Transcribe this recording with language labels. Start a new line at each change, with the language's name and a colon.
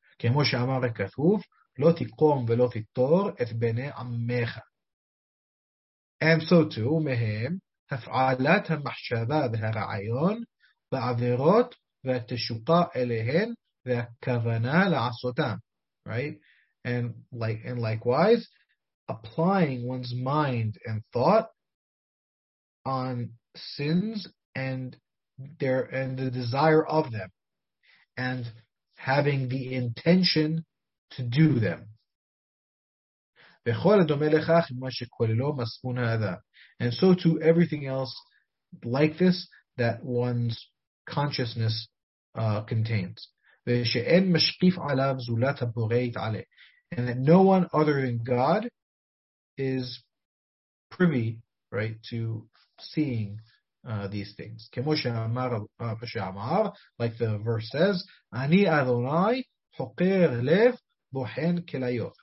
Hebrew: כמו שאמר כתוב, לא תקום ולא תתור את בני עמך.
English: And so too,
Hebrew: מהם, הפעלת המחשבה והרעיון בעבירות והתשוקה אליהן והכוונה לעשותם, right?
English: And likewise, applying one's mind and thought on sins and the desire of them, and having the intention to do them.
Hebrew: וכל הדומה לכך מה שכוללו מסכון האדם.
English: And so too, everything else like this that one's consciousness contains.
Hebrew: ושאין משקיף עליו זולת הבורא יתעלה.
English: And that no one other than God is privy, right, to seeing these things.
Hebrew: כמו שאמר,
English: like the verse says,
Hebrew: אני אדוני חוקר לב בוחן כליות.